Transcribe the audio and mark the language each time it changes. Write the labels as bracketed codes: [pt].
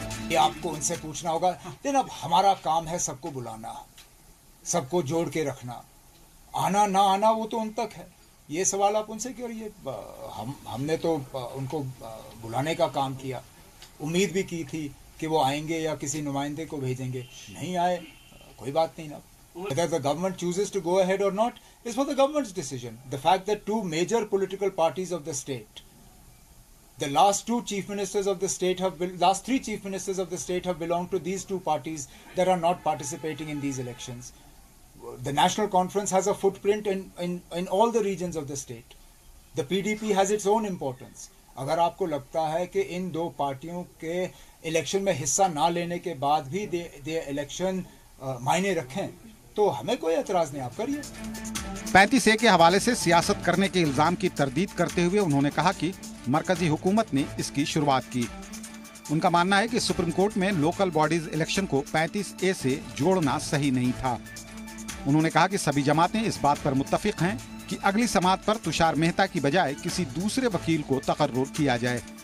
[ur] یہ آپ کو ان سے پوچھنا ہوگا، لیکن اب ہمارا کام ہے سب کو بلانا، سب کو جوڑ کے رکھنا، آنا نہ آنا وہ تو ان تک ہے، یہ سوال آپ ان سے کریے۔ ہم نے تو ان کو بلانے کا کام کیا، امید بھی کی تھی کہ وہ آئیں گے یا کسی نمائندے کو بھیجیں گے، نہیں آئے، کوئی بات نہیں۔ اب [en] whether the government chooses to go ahead or not is for the government's decision. The fact that two major political parties of the state, the last two chief ministers of the state have last three chief ministers of the state have belonged to these two parties that are not participating in these elections. The National Conference has a footprint in all the regions of the state. The PDP has its own importance. [ur] اگر آپ کو لگتا ہے کہ ان دو پارٹیوں کے election میں حصہ نہ لینے کے بعد بھی دے الیکشن معنی رکھیں تو ہمیں کوئی اعتراض نہیں، آپ کریے۔ 35A کے حوالے سے سیاست کرنے کے الزام کی تردید کرتے ہوئے انہوں نے کہا کہ مرکزی حکومت نے اس کی شروعات کی۔ ان کا ماننا ہے کہ سپریم کورٹ میں لوکل باڈیز الیکشن کو 35A سے جوڑنا صحیح نہیں تھا۔ انہوں نے کہا کہ سبھی جماعتیں اس بات پر متفق ہیں کہ اگلی سماعت پر تشار مہتا کی بجائے کسی دوسرے وکیل کو تقرر کیا جائے۔